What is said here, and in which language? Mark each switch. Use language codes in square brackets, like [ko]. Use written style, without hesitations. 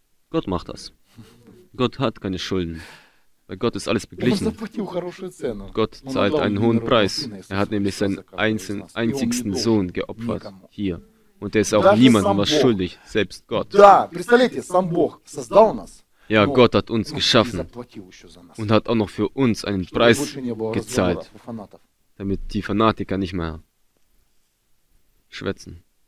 [de] Gott macht das. Gott hat keine Schulden. Bei Gott ist alles beglichen. Gott zahlt einen hohen Preis. Er hat nämlich seinen einzigsten Sohn geopfert. Hier. Und er ist auch niemandem was schuldig. Selbst Gott. [ru] Ja, представляете, сам Бог создал нас. [de] Ja, Gott hat uns geschaffen und hat auch noch für uns einen Preis gezahlt, damit die Fanatiker nicht mehr schwätzen.